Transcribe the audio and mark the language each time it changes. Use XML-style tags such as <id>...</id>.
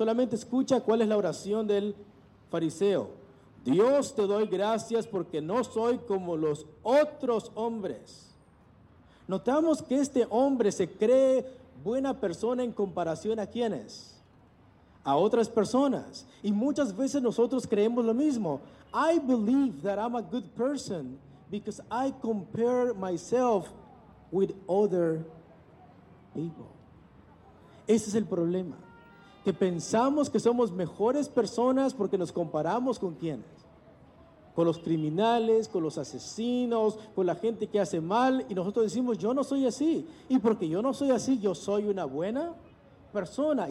<es>Solamente escucha cuál es la oración del fariseo. Dios, te doy gracias porque no soy como los otros hombres. Notamos que este hombre se cree buena persona en comparación a ¿quiénes? A otras personas. Y muchas veces nosotros creemos lo mismo.</es> <en>I believe that I'm a good person because I compare myself with other people.</en> <es>Ese es el problema. Que pensamos que somos mejores personas porque nos comparamos con ¿quiénes? Con los criminales, con los asesinos, con la gente que hace mal. Y nosotros decimos, yo no soy así. Y porque yo no soy así, yo soy una buena persona.</es>